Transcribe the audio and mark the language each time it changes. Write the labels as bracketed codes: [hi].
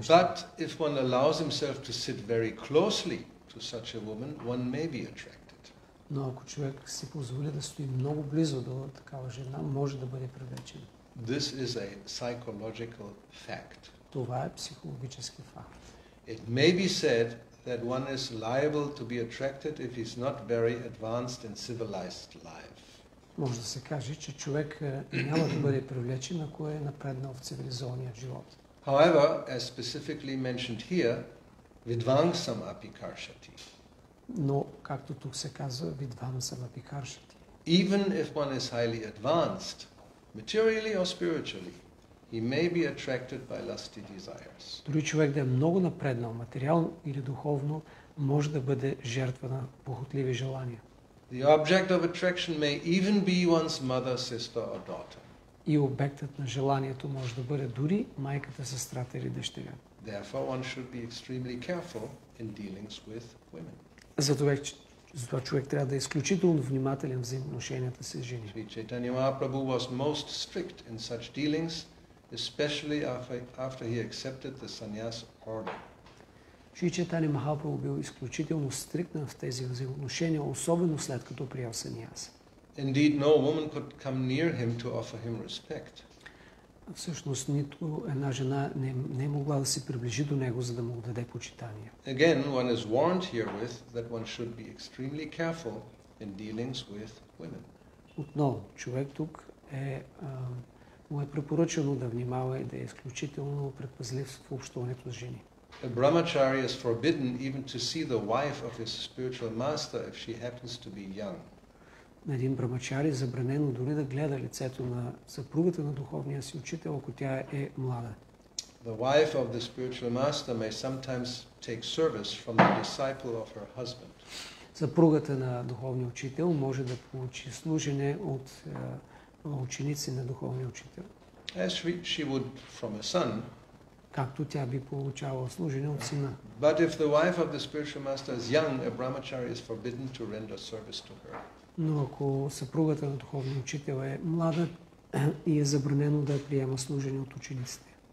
[bg] дъщеря. [en] But if one allows himself to sit very closely to such a woman, one may be attracted. [bg] Но ако човек си позволи да стои много близо до такава жена, може да бъде привлечен. [en] This is a psychological fact. [bg] Това е психологически факт. [en] It may be said that one is liable to be attracted if he's not very advanced in civilized life. [bg] Може да се каже, че човек няма да бъде привлечен, ако е напреднал в цивилизования живот. [en] However, as specifically mentioned here, [sa] vidvansam apikarshati. [bg] Но, както тук се казва, [sa] vidvansam apikarshati. [en] Even if one is highly advanced, materially or spiritually, he may be attracted by lusty desires. [bg] Дори човек да е много напреднал, материално или духовно, може да бъде жертва на похотливи желания. [en] The object of attraction may even be one's mother, sister or daughter. [bg] И обектът на желанието може да бъде дори майката, сестрата или дъщеря. [en] Therefore one should be extremely careful in dealings with women. [bg] Затова човек трябва да е изключително внимателен в взаимоотношенията с жени. [en] Sri Chaitanya Mahaprabhu was most strict in such dealings, especially after he accepted the sannyas order. [bg] Шри Чайтанья Махапрабху бил изключително стриктен в тези взаимоотношения, особено след като приел саньяса. [en] Indeed, no woman could come near him to offer him respect. [bg] Всъщност нито една жена не могла да се приближи до него, за да му даде почитание. [en] Again, one is warned herewith that one should be extremely careful in dealings with women. [bg] Отново, човек тук е му е препоръчено да внимава и да е изключително предпазлив в общуването с жени. [en] A brahmachari is forbidden even to see the wife of his spiritual master if she happens to be young. [bg] На един брамачари е забранено дори да гледа лицето на съпругата на духовния си учител, ако тя е млада. [en] The wife of the spiritual master may sometimes take service from the disciple of her husband. [bg] Съпругата на духовния учител може да получи служене от ученици на духовния учител. [en] As she would from a son. [bg] Както тя би получавала служение от сина. [en] But if the wife of the spiritual master is young, a brahmachari is forbidden to render service to her. [bg] Но ако съпругата на духовния учител е млада и е забранено да приема служение от учениците.